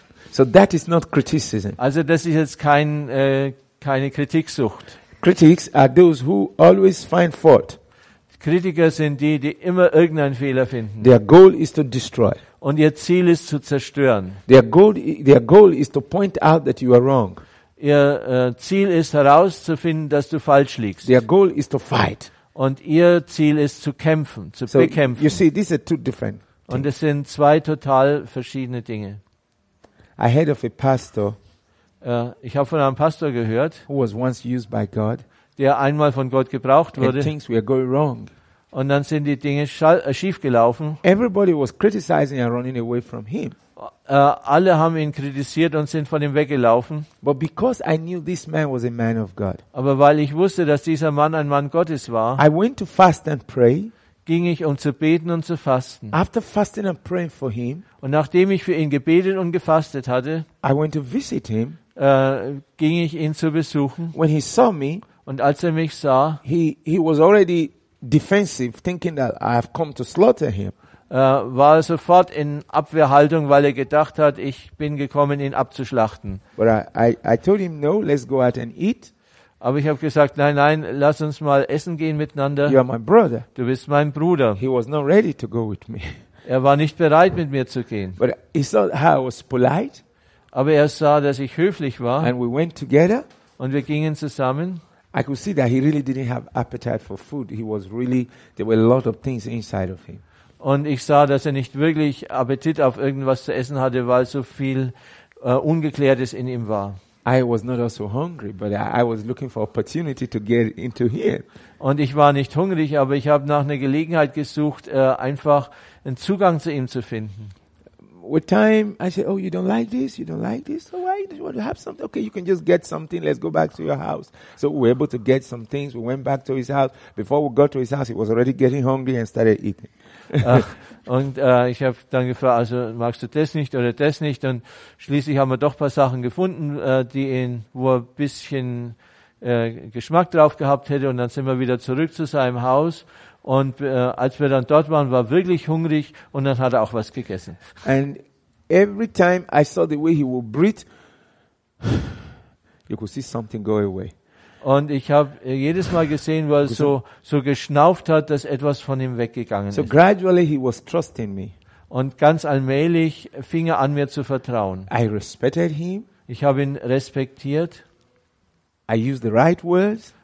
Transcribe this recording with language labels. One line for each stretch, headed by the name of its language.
English: So that is not criticism.
German: Also das ist jetzt keine Kritiksucht.
English: Critics are those who always find fault.
German: Kritiker sind die, die immer irgendeinen Fehler finden.
English: Their goal is to destroy.
German: Und ihr Ziel ist zu zerstören.
English: Their goal is to point out that you are wrong.
German: Ihr Ziel ist herauszufinden, dass du falsch liegst.
English: Their goal is to fight.
German: Und ihr Ziel ist zu kämpfen, zu so bekämpfen.
English: You see, these are two different
German: things. Und es sind zwei total verschiedene Dinge.
English: I heard of a pastor.
German: Ich habe von einem Pastor gehört,
English: who was once used by God,
German: der einmal von Gott gebraucht wurde.
English: And things were going wrong.
German: Und dann sind die Dinge schief gelaufen.
English: Everybody was criticizing and running away from him.
German: Alle haben ihn kritisiert und sind von ihm weggelaufen.
English: But because I knew this man was a man of God.
German: Aber weil ich wusste, dass dieser Mann ein Mann Gottes war,
English: I went to fast and pray.
German: Ging ich um zu beten und zu fasten.
English: After fasting and praying for him,
German: und nachdem ich für ihn gebetet und gefastet hatte,
English: I went to visit him.
German: Ging ich ihn zu besuchen.
English: When he saw me,
German: und als er mich sah,
English: he was already defensive, thinking that I have come to slaughter him.
German: War sofort in Abwehrhaltung, weil er gedacht hat, ich bin gekommen, ihn abzuschlachten.
English: But I told him no, let's go out and eat.
German: Aber ich habe gesagt, nein, lass uns mal essen gehen miteinander.
English: You are my brother.
German: Du bist mein Bruder.
English: He was not ready to go with me.
German: Er war nicht bereit, mit mir zu gehen.
English: But he saw how I was polite.
German: Aber er sah, dass ich höflich war.
English: And we went together.
German: Und wir gingen zusammen.
English: I could see that he really didn't have appetite for food. He was really there were a lot of things inside of him.
German: Und ich sah, dass er nicht wirklich Appetit auf irgendwas zu essen hatte, weil so viel Ungeklärtes in ihm war.
English: I was not also hungry, but I was looking for opportunity to get into here.
German: Und ich war nicht hungrig, aber ich habe nach einer Gelegenheit gesucht, einfach einen Zugang zu ihm zu finden.
English: With time, I said, "Oh, you don't like this? You don't like this? So why? Do you want to have something? Okay, you can just get something. Let's go back to your house." So we were able to get some things. We went back to his house. Before we got to his house, he was already getting hungry and started eating.
German: Ich habe dann gefragt, also magst du das nicht oder das nicht? Und schließlich haben wir doch ein paar Sachen gefunden, wo er ein bisschen Geschmack drauf gehabt hätte. Und dann sind wir wieder zurück zu seinem Haus. Und als wir dann dort waren, war wirklich hungrig und dann hat er auch was gegessen.
English: And every time I saw the way he would breathe, you could see something go away.
German: Und ich habe jedes Mal gesehen, wo er so geschnauft hat, dass etwas von ihm weggegangen ist.
English: So gradually he was trusting me.
German: Und ganz allmählich fing er an, mir zu vertrauen.
English: I respected him.
German: Ich habe ihn respektiert.
English: I used the right words.